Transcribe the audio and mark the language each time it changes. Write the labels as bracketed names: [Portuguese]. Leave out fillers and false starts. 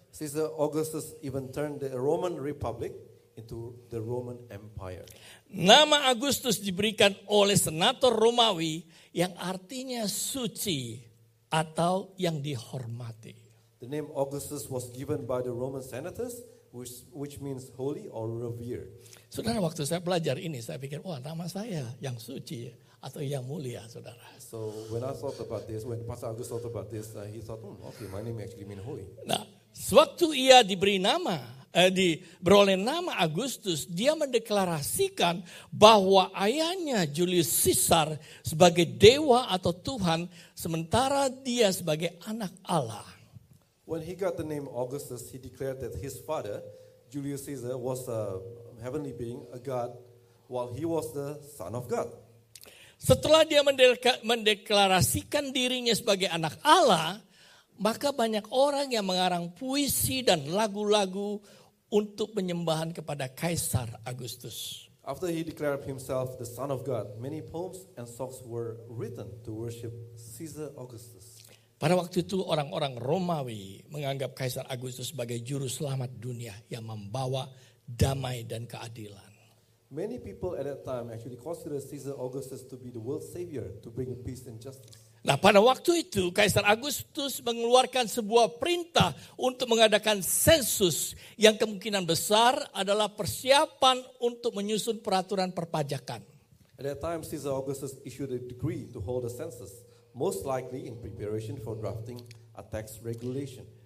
[English] Caesar Augustus even turned the Roman Republic into the Roman Empire. [Indonesian] Nama Augustus diberikan oleh senator Romawi yang artinya suci atau yang dihormati. [English] The name Augustus was given by the Roman senators, which means holy or revered. [Indonesian] Saudara, waktu saya belajar ini, saya pikir, wah, nama saya yang suci atau yang mulia, saudara. [English] So when I thought about this, when Pastor Augustus thought about this, he thought, okay, my name actually means holy. [Indonesian] Nah, sewaktu ia diberi nama, diberoleh nama Augustus, dia mendeklarasikan bahwa ayahnya Julius Caesar sebagai dewa atau Tuhan, sementara dia sebagai anak Allah. [English] When he got the name Augustus, he declared that his father, Julius Caesar, was a heavenly being, a god, while he was the son of God. [Indonesian] Setelah dia mendeklarasikan dirinya sebagai anak Allah, maka banyak orang yang mengarang puisi dan lagu-lagu untuk penyembahan kepada Kaisar Augustus. [English] After he declared himself the son of God, many poems and songs were written to worship Caesar Augustus. [Indonesian] Pada waktu itu orang-orang Romawi menganggap Kaisar Augustus sebagai juru selamat dunia yang membawa damai dan keadilan. [English] Many people at that time actually considered Caesar Augustus to be the world savior, to bring peace and justice. [Indonesian] Nah, pada waktu itu Kaisar Augustus mengeluarkan sebuah perintah untuk mengadakan sensus yang kemungkinan besar adalah persiapan untuk menyusun peraturan perpajakan. [English] At that time Caesar Augustus issued a decree to hold a census, most likely in preparation for drafting a tax regulation.